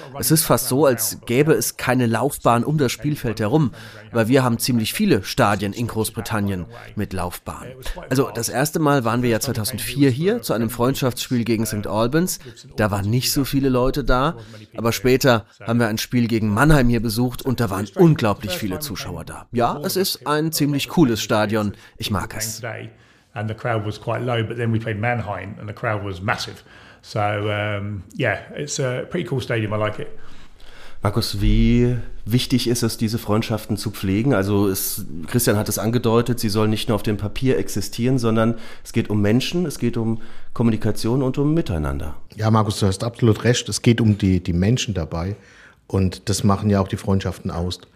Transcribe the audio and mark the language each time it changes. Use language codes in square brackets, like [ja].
[de] Es ist fast so, als gäbe es keine Laufbahn um das Spielfeld herum, weil wir haben ziemlich viele Stadien in Großbritannien mit Laufbahn. Also das erste Mal waren wir ja 2004 hier zu einem Freundschaftsspiel gegen St. Albans. Da waren nicht so viele Leute da. Aber später haben wir ein Spiel gegen Mannheim hier besucht und da waren unglaublich viele Zuschauer da. Ja, es ist ein ziemlich cooles Stadion. Ich mag es. [en] And the crowd was quite low, but then we played Mannheim and the crowd was massive. So yeah, it's a pretty cool stadium, I like it. [de] Markus, wie wichtig ist es, diese Freundschaften zu pflegen? Also Christian hat es angedeutet, sie sollen nicht nur auf dem Papier existieren, sondern es geht um Menschen, es geht um Kommunikation und um Miteinander. Ja, Markus, du hast absolut recht. Es geht um die Menschen dabei und das machen ja auch die Freundschaften aus.